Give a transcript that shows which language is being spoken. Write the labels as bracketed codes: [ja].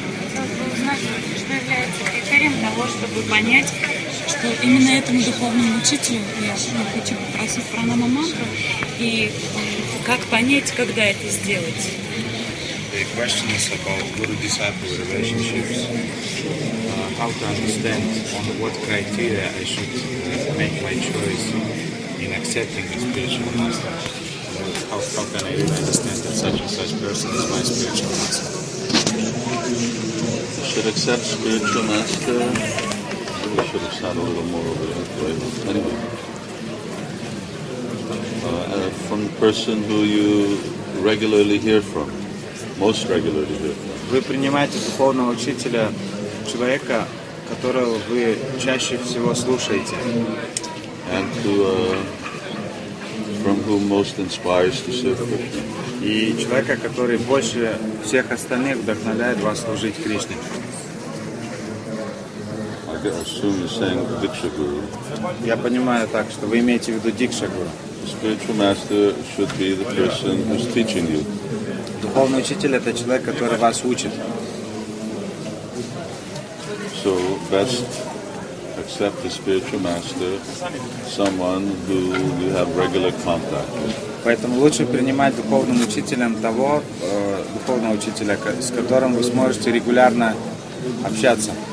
[ru] Хотелось бы узнать, что является критерием того, чтобы понять, что именно этому духовному учителю я хочу попросить пранамамантру, и как понять, когда это сделать. [en] The question is about guru-disciple relationships. How to understand on what criteria I should make my choice in accepting the spiritual master. How can I understand that such and such person is my spiritual master? You should accept spiritual master. We should have sat a little more over there, but anyway. From the person who you regularly hear from, most regularly hear from. [ru] Вы принимаете духовного учителя человека, которого вы чаще всего слушаете. [en] And to from whom most inspires to serve Krishna. [ru] И человека, который больше всех остальных вдохновляет вас служить Кришне. [en] I assume you're saying Diksha Guru. [ru] Я понимаю так, что вы имеете в виду Диксха Гуру. [en] The spiritual master should be the person who's teaching you. [ru] Духовный учитель — это человек, который вас учит. [en] So best accept a spiritual master, someone who you have regular contact with. [ru] Поэтому лучше принимать духовным учителем того духовного учителя, с которым вы сможете регулярно общаться.